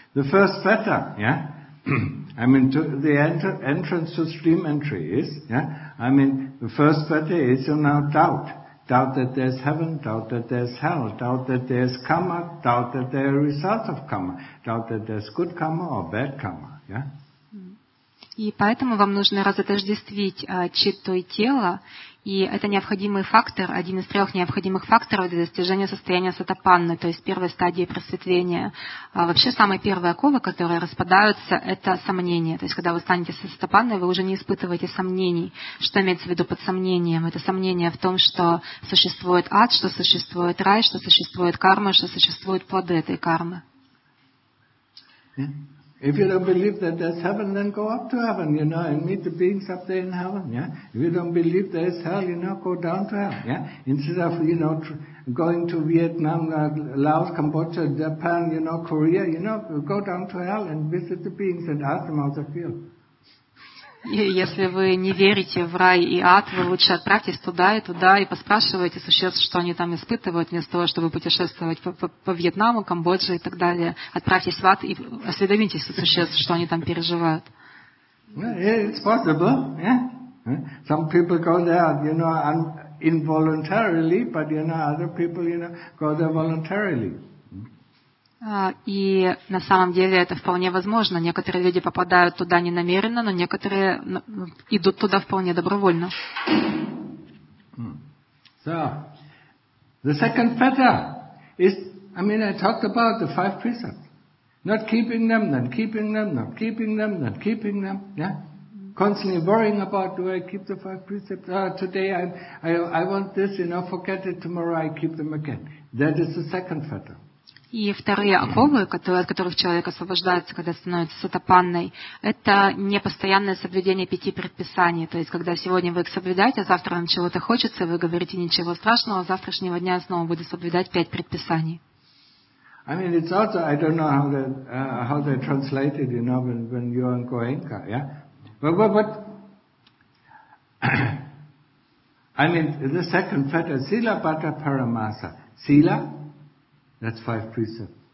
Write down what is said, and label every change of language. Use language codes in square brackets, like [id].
[en] The first fetter, yeah? I mean, to the entrance to stream entry is, yeah? I mean, the first fetter is you now doubt. Doubt that there's heaven, doubt that there's hell, doubt that there's karma, doubt that there are results of karma, doubt that there's good karma or bad karma. Yeah? [ru] И поэтому вам нужно разотождествить читту и тело, и это необходимый фактор, один из трех необходимых факторов для достижения состояния сатапанны, то есть первой стадии просветления. Вообще, самые первые оковы, которые распадаются, это сомнения. То есть, когда вы станете сатапанной, вы уже не испытываете сомнений. Что имеется в виду под сомнением? Это сомнение в том, что существует ад, что существует рай, что существует карма, что существуют плоды этой кармы. [en] If you don't believe that there's heaven, then go up to heaven, you know, and meet the beings up there in heaven, yeah? If you don't believe there's hell, you know, go down to hell, yeah? Instead of, you know, going to Vietnam, Laos, Cambodia, Japan, you know, Korea, you know, go down to hell and visit the beings and ask them how they feel. [ru] Если вы не верите в рай и ад, вы лучше отправьтесь туда и туда и поспрашивайте существ, что они там испытывают, вместо того, чтобы путешествовать по Вьетнаму, Камбодже и так далее. Отправьтесь в ад и осведомитесь у существ, что они там переживают. [en] It's possible, yeah. Some people go there, you know, involuntarily, but you know, other people, you know, go there voluntarily. [ru] И на самом деле это вполне возможно. Некоторые люди попадают туда не намеренно, но некоторые идут туда вполне добровольно. [en] So, the second fetter is, I mean, I talked about the five precepts. Not keeping them, then keeping them, not keeping them, then keeping them, yeah? Constantly worrying about, do I keep the five precepts? Today I want this, you know, forget it, tomorrow I keep them again. That is the second fetter. [ru] И вторые оковы, от которых человек освобождается, когда становится сатапанной, это непостоянное соблюдение пяти предписаний. То есть, когда сегодня вы их соблюдаете, а завтра вам чего-то хочется, вы говорите, ничего страшного, с завтрашнего дня я снова буду соблюдать пять предписаний. [en] I mean, it's also, I don't know how they translate it, you know, when you're in Goenka, yeah? But I mean, the second fetter, sila bhatta paramasa. Sila? That's five precepts.